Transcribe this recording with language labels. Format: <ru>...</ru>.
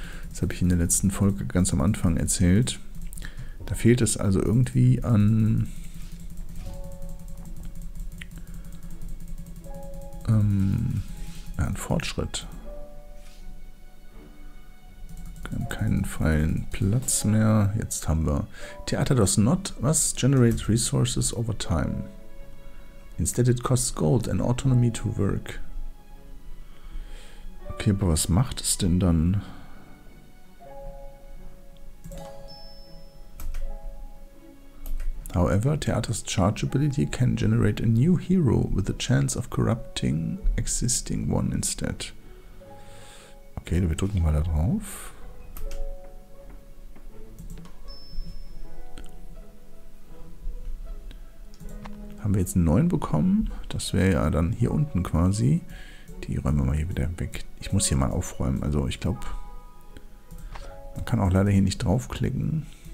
<de>Das habe ich in der letzten Folge ganz am Anfang erzählt. Da fehlt es also irgendwie an... an Fortschritt. Wir haben keinen freien Platz mehr. Jetzt haben wir...</de> <en>Theater does not...</en> <de>Was?</de> <en>Generate resources over time. Instead it costs gold and autonomy to work.</en> <de>Okay, aber was macht es denn dann? Da</de> <en>However, Teatas chargeability can generate a new hero with a chance of corrupting existing one instead.</en> <de>Okay, wir drücken mal da drauf. Haben wir jetzt einen neuen bekommen? Das wäre ja dann hier unten quasi. Die räumen wir mal hier wieder weg. Ich muss hier mal aufräumen. Also ich glaube, man kann auch leider hier nicht draufklicken.</de>